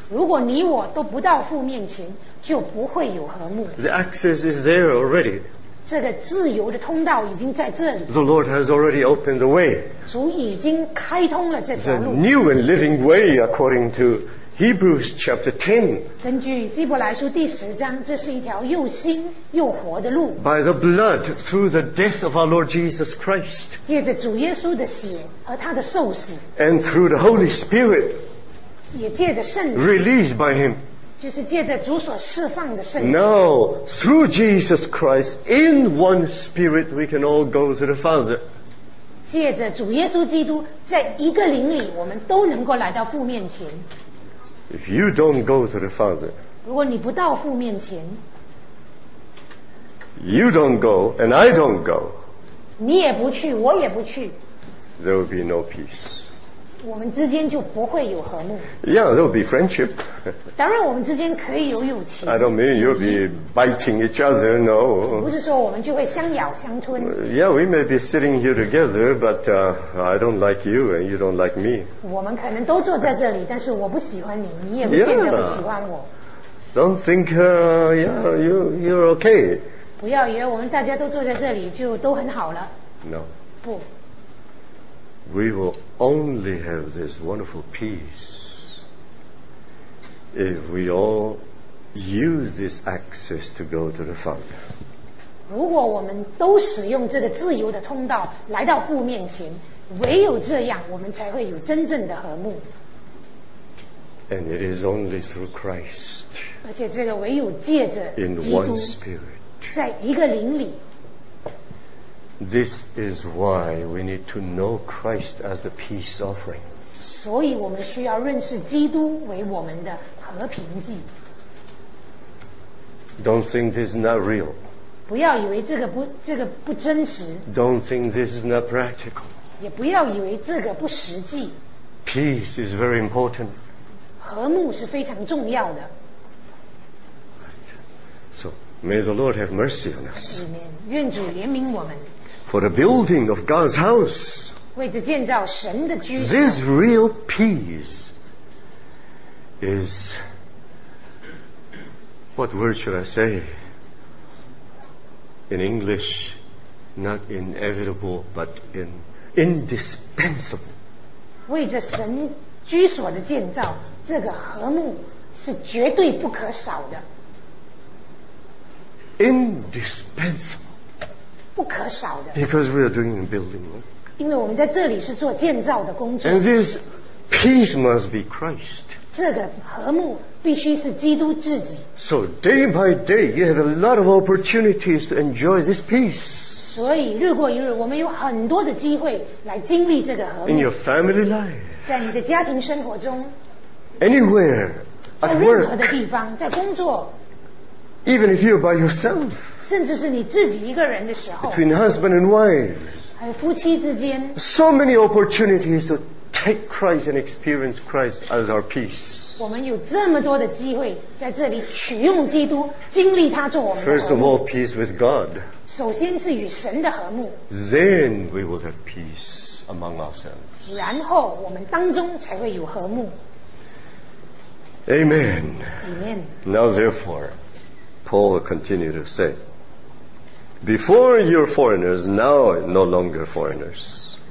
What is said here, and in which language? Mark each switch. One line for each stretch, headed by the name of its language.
Chinese: 如果你我都不到父面前，就不会有和睦。
English: The access is there already.
Chinese: 这个自由的通道已经在这里。
English: The Lord has already opened the way.
Chinese: 主已经开通了这条路。
English: The new and living way according to Hebrews chapter 10.
Chinese: 根据希伯来书第十章，这是一条又新又活的路。
English: By the blood, through the death of our Lord Jesus Christ.
Chinese: 借着主耶稣的血和他的受死。
English: And through the Holy Spirit.
Chinese: 也借着圣灵。
English: Released by Him.
Chinese: 就是借着主所释放的圣灵。
English: Now, through Jesus Christ, in one Spirit, we can all go to the Father.
Chinese: 借着主耶稣基督，在一个灵里，我们都能够来到父面前。
English: If you don't go to the Father,
Chinese: 如果你不到父面前,
English: you don't go, and I don't go,
Chinese: 你也不去,我也不去,
English: there will be no peace.
Chinese: 我们之间就不会有和睦。
English: Yeah, there will be friendship.
Chinese: 当然我们之间可以有友情。
English: I don't mean you'll be biting each other, no.
Chinese: 不是说我们就会相咬相吞。
English: Yeah, we may be sitting here together, but I don't like you and you don't like me.
Chinese: 我们可能都坐在这里，但是我不喜欢你，你也不见得不喜欢我。
English: Don't think, you're okay.
Chinese: 不要以为我们大家都坐在这里就都很好了。
English: No.
Chinese: 不。
English: We will only have this wonderful peace if we all use this access to go to the Father.
Chinese: 如果我们都使用这个自由的通道来到父面前，唯有这样我们才会有真正的和睦。
English: And it is only through Christ.
Chinese: 而且这个唯有借着基督。
English: In one spirit.
Chinese: 在一个灵里。
English: This is why we need to know Christ as the peace offering.
Chinese: 所以我们需要认识基督为我们的和平祭。
English: Don't think this is not real.
Chinese: 不要以为这个不真实。
English: Don't think this is not practical.
Chinese: 也不要以为这个不实际。
English: Peace is very important.
Chinese: 和睦是非常重要的。
English: So, may the Lord have mercy on us.
Chinese: 愿主怜悯我们。
English: For the building of God's house,
Chinese: 为着建造神的居所,
English: this real peace is, what word should I say? In English, not inevitable, but indispensable.
Chinese: 为着神居所的建造, 这个和睦是绝对不可少的。
English: Indispensable.
Chinese: 不可少的。
English: Because we are doing building work.
Chinese: 因为我们在这里是做建造的工作。
English: And this peace must be Christ.
Chinese: 这个和睦必须是基督自己。
English: So day by day, you have a lot of opportunities to enjoy this peace.
Chinese: 所以日过一日，我们有很多的机会来经历这个和睦。
English: In your family life.
Chinese: 在你的家庭生活中。
English: Anywhere.
Chinese: 在任何的地方，在工作。
English: Even if you're by yourself.
Chinese: 甚至是你自己一个人的时候。
English: Between husband and wives.
Chinese: 还有夫妻之间。
English: So many opportunities to take Christ and experience Christ as our peace.
Chinese: 我们有这么多的机会在这里取用基督，经历他做我们的和睦。
English: First of all, peace with God.
Chinese: 首先是与神的和睦。
English: Then we will have peace among ourselves.
Chinese: 然后我们当中才会有和睦。
English: Amen. Amen. Now therefore, Paul continued to say, before you were foreigners, now no longer foreigners.